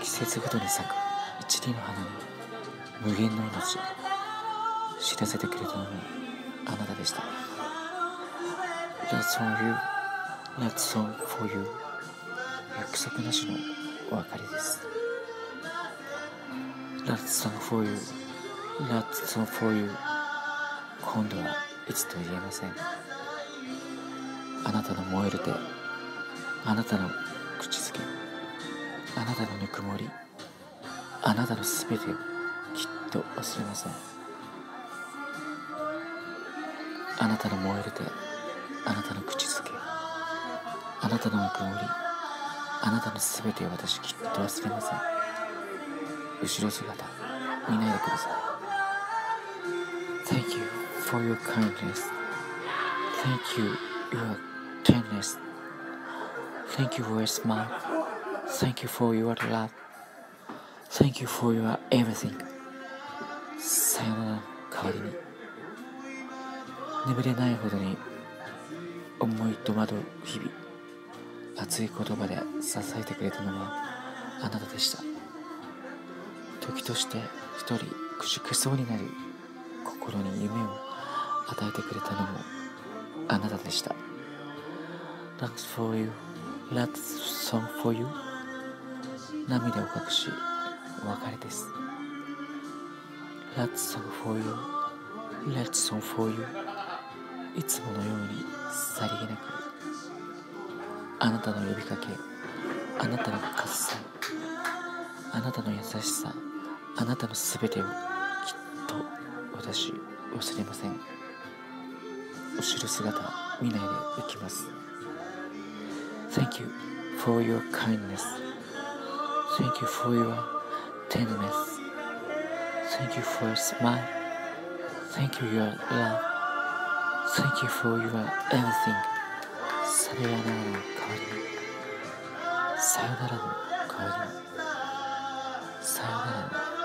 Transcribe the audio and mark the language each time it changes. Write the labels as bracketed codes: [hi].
[ja] 季節ごとに咲く一輪の花に無限の命、知らせてくれたのはあなたでした。 [en] Love song you, love song for you、 [ja] 約束なしのお別れです。 [en] Love song for you, love song for you、 [ja] 今度はいつと言えません。あなたの燃える手、あなたの口づけ、あなたのぬくもり、あなたのすべてをきっと忘れません。あなたの燃える手、あなたの口づけ、あなたのぬくもり、あなたのすべてを私きっと忘れません。後ろ姿見ないでください。 [en] Thank you for your kindness. Thank you your tenderness. Thank you for your smile. Thank you for your love. Thank you for your everything. [ja] さよなら代わりに、眠れないほどに思い戸惑う日々、熱い言葉で支えてくれたのはあなたでした。時として一人くじけそうになる心に夢を与えてくれたのもあなたでした。 [en] Thanks for youLove song for you. [ja] 涙を隠し、お別れです。 [en] Love song for you. [ja] Love song for you. いつものようにさりげなく、あなたの呼びかけ、あなたの喝采、あなたの優しさ、あなたのすべてをきっと私忘れません。後ろ姿見ないで行きます。 [en] Thank you for your kindness. Thank you for your tenderness. Thank you for your smile. Thank you your love. Thank you for your everything. [ja] さよならの代わりに、さよならの代わりに、さよならの代わりに。